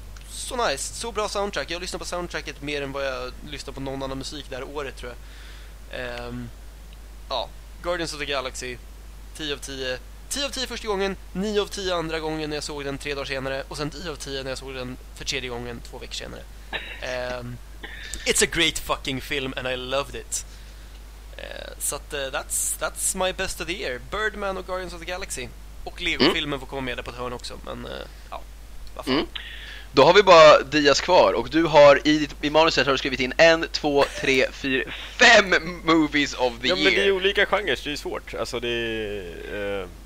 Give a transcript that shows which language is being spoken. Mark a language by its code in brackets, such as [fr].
[sv] Så nice, så bra soundtrack. Jag lyssnade på soundtracket mer än vad jag lyssnade på någon annan musik där året, tror jag. Ja, Guardians of the Galaxy, 10 av 10. 10 av 10 första gången, 9 av 10 andra gången när jag såg den 3 dagar senare, och sen 10 av 10 när jag såg den för tredje gången 2 veckor senare. [en] It's a great fucking film and I loved it. [sv] Så att, [en] that's my best of the year. [sv] Birdman och Guardians of the Galaxy. Och Lego-filmen får komma med där på ett hörn också. Men ja, varför? Då har vi bara Dias kvar. Och du har i manuset har du skrivit in 1, 2, 3, 4, 5 [en] movies of the year. [sv] Ja, men det är olika genres, det är svårt. Alltså det